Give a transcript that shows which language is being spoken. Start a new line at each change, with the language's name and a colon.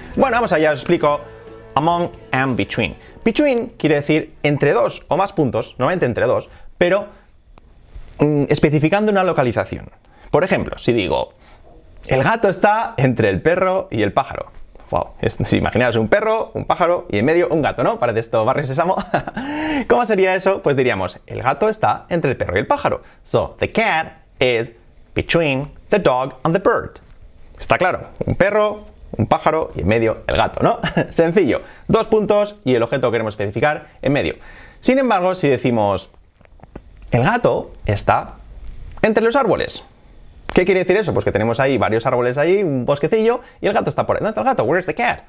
Spanish: Bueno, vamos allá, os explico. Among and between. Between quiere decir entre dos o más puntos, normalmente entre dos, pero especificando una localización. Por ejemplo, si digo, el gato está entre el perro y el pájaro. Wow, si imaginaos un perro, un pájaro y en medio un gato, ¿no? Para de esto Barrio Sésamo. ¿Cómo sería eso? Pues diríamos, el gato está entre el perro y el pájaro.
English: So, the cat is between the dog and the bird.
Spanish: Está claro, un perro, un pájaro y en medio el gato, ¿no? Sencillo, dos puntos y el objeto que queremos especificar en medio. Sin embargo, si decimos, el gato está entre los árboles. ¿Qué quiere decir eso? Pues que tenemos ahí varios árboles ahí, un bosquecillo, y el gato está por ahí. ¿Dónde está el gato?
English: Where's the cat?